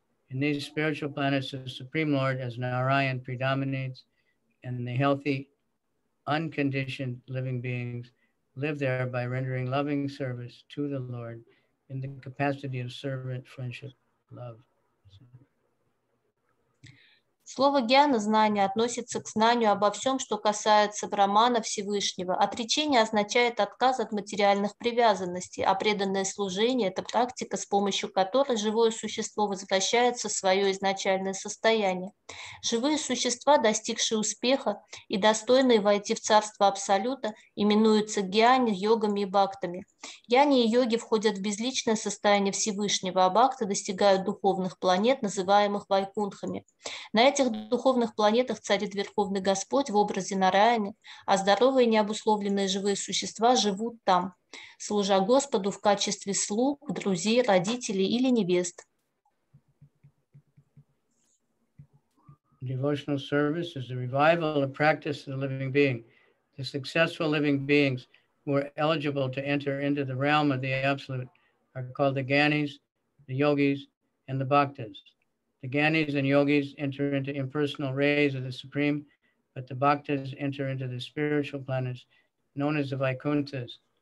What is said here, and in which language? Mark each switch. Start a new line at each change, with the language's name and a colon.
English: In these spiritual planets, the Supreme Lord as Narayan predominates, and the healthy, unconditioned living beings live there by rendering loving service to the Lord in the capacity of servant, friendship, love.
Russian: Слово «гьяна» – знание – относится к знанию обо всем, что касается Брахмана Всевышнего. Отречение означает отказ от материальных привязанностей, а преданное служение – это практика, с помощью которой живое существо возвращается в свое изначальное состояние. Живые существа, достигшие успеха и достойные войти в Царство Абсолюта, именуются гьяни, йогами и бхактами. Гьяни и йоги входят в безличное состояние Всевышнего, а бхакты достигают духовных планет, называемых вайкунтхами. На этих духовных планетах царит Верховный Господь в образе Нараяны, а здоровые необусловленные живые существа живут там, служа Господу в качестве слуг, друзей, родителей или невест.
English: Devotional service is the revival of practice of the living being. The successful living beings who are eligible to enter into the realm of the absolute are called the Gyanis, the Yogis, and the Bhaktas. The Gyanis and Yogis enter into impersonal rays of the Supreme, but the Bhaktas enter into the spiritual planets known as the Vaikunthas.